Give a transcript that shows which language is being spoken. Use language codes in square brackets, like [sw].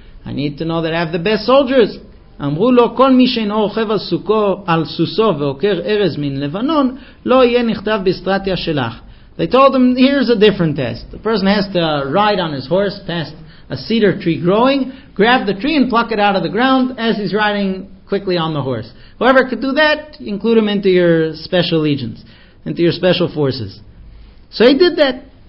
[en] I need to know that I have the best soldiers. [he] אמרו לו, כל מי שאינו רוכב על סוכו, על סוסו ועוקר ארז מן לבנון, לא יהיה נכתב בסטרטיה שלך. [en] They told him, here's a different test. The person has to ride on his horse past a cedar tree growing, grab the tree and pluck it out of the ground as he's riding quickly on the horse. Whoever could do that, include him into your special legions, into your special forces. So he did that.